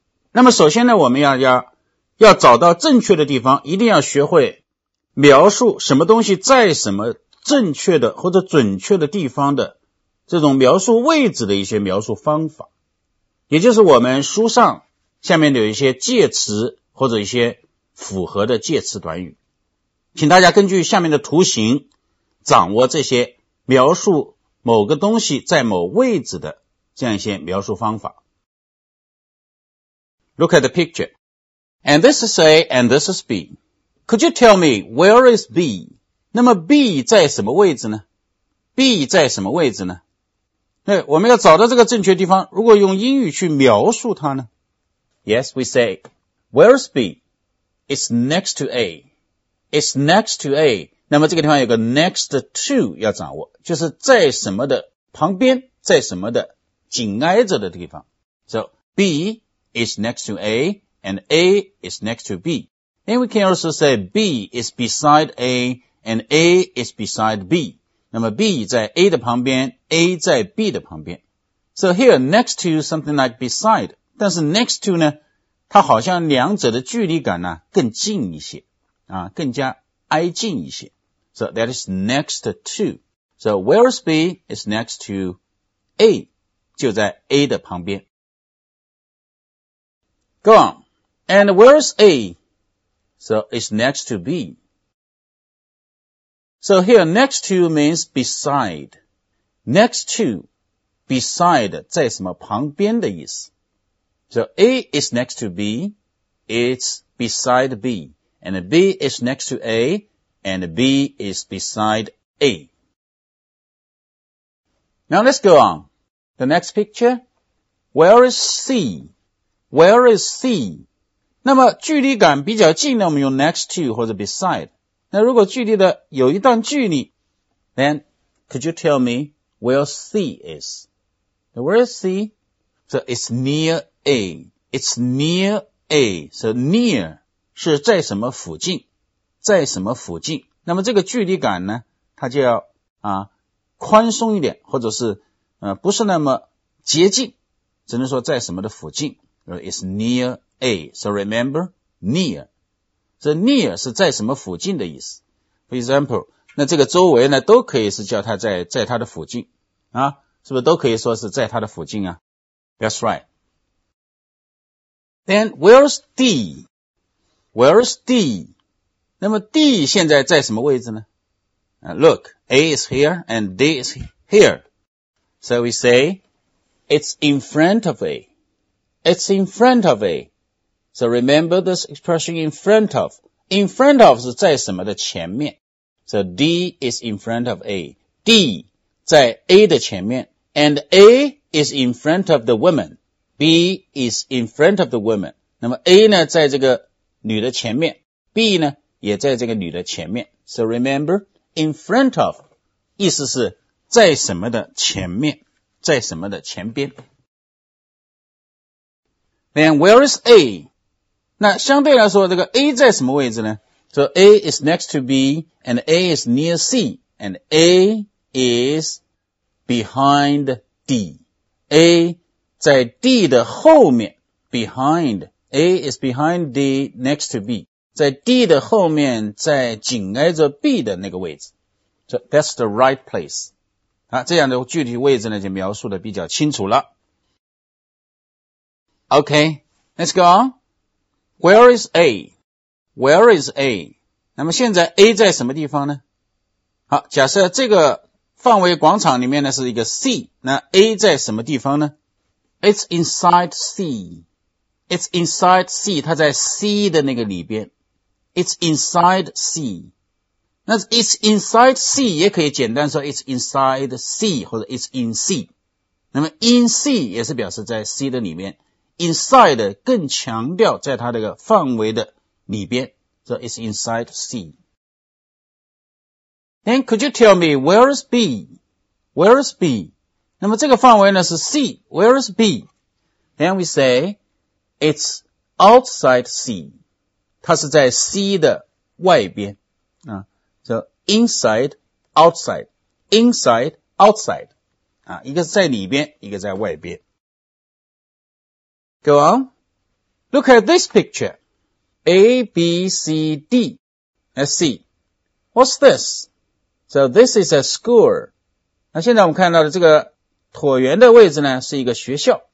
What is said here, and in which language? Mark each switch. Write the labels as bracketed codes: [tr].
[zh] 那么首先呢，我们要找到正确的地方，一定要学会描述什么东西在什么正确的或者准确的地方的这种描述位置的一些描述方法，也就是我们书上下面有一些介词或者一些符合的介词短语，请大家根据下面的图形掌握这些描述某个东西在某位置的这样一些描述方法。 [en] Look at the picture. And this is A and this is B. Could you tell me where is B? [zh] 那么 B 在什么位置呢？B 在什么位置呢？对，我们要找到这个正确地方，如果用英语去描述它呢？ [en] Yes, we say, where is B? It's next to A. It's next to A. [zh] 那么这个地方有个 next to 要掌握，就是在什么的旁边，在什么的紧挨着的地方。 [en] So B is next to A and A is next to B. And we can also say B is beside A and A is beside B. [zh] 那么 B 在 A 的旁边， A 在 B 的旁边。 [en] So here next to something like beside， [zh] 但是 next to 呢，它好像两者的距离感呢更近一些啊，更加挨近一些。 [en] So that is next to. So where is B? It's next to A. [zh] 就在 A 的旁边。 [en] Go on. And where is A? So it's next to B. So here next to means beside. Next to, beside [zh] 在什么旁边的意思。 [en] So A is next to B. It's beside B. And B is next to AAnd B is beside A. Now let's go on. The next picture. Where is C? Where is C? [zh] 那么距离感比较近呢，我们用 next to 或者 beside. 那如果距离的有一段距离， [en] then could you tell me where C is? Where is C? So it's near A. It's near A. So near [zh] 是在什么附近，在什么附近。那么这个距离感呢，它就要宽松一点，或者是不是那么接近，只能说在什么的附近。 [en] It's near A. So remember, near. So near [zh] 是在什么附近的意思。 [en] For example, [zh] 那这个周围呢都可以是叫它在它的附近。啊，是不是都可以说是在它的附近啊？ [en] That's right. Then, where's D? Where's D? [zh] 那么 D 现在在什么位置呢？ [en] Look, A is here and D is here. So we say, it's in front of A. It's in front of A. So remember this expression in front of. [zh] In front of 是在什么的前面。 [en] So D is in front of A. [zh] D 在 A 的前面。 [en] And A is in front of the woman. B is in front of the woman. [zh] 那么 A 呢在这个女的前面。B 呢也在这个女的前面。 [en] So remember, in front of [zh] 意思是在什么的前面，在什么的前边。 [en] Then where is A? [zh] 那相对来说这个 A 在什么位置呢？ [en] So A is next to B and A is near C and A is behind D. [zh] A 在 D 的后面， [en] behind A is behind D next to B， [zh] 在 D 的后面，在紧挨着 B 的那个位置。 [en] So that's the right place. [zh] 啊，这样的具体位置呢就描述的比较清楚了。 [en] OK, let's go on. Where is A? Where is A? [zh] 那么现在 A 在什么地方呢？好，假设这个范围广场里面呢是一个 C, 那 A 在什么地方呢？ [en] It's inside C. It's inside C, [zh] 它在 C 的那个里边。 [en] It's inside C. [zh] 那 [en] It's inside C [zh] 也可以简单说 It's inside C 或者 [en] It's in C. [zh] 那么 in C 也是表示在 C 的里面， inside 更强调在它这个范围的里边， [en] so it's inside C. Then could you tell me where is B? Where is B? 那么这个范围呢是 C, where is B? Then we say it's outside C. [zh] 它是在 C 的外边、 [en] so inside, outside, inside, outside. [zh] 一个是在里边，一个在外边。 [en] Go on. Look at this picture. A, B, C, D. Let's see. What's this? So this is a school. [zh] 那现在我们看到的这个椭圆的位置呢，是一个学校。